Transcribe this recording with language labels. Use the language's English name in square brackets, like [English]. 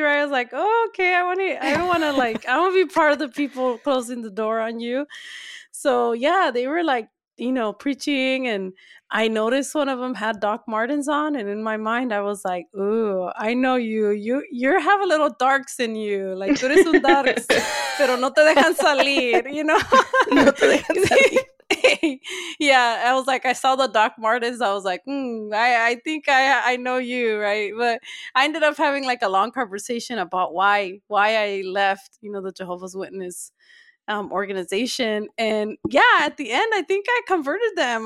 [English] Right, I was like, "Oh, okay, I want to be part of the people closing the door on you." So yeah, they were like, you know, preaching, and I noticed one of them had Doc Martens on, and in my mind, I was like, "Ooh, I know you. You have a little darks in you. Like, [Spanish] tú eres un darks, pero no te dejan salir. [English] You know." [Spanish] No te dejan salir. [English] Yeah, I was like, I saw the Doc Martens. I was like, I think I know you, right? But I ended up having like a long conversation about why I left, you know, the Jehovah's Witness organization. And yeah, at the end, I think I converted them.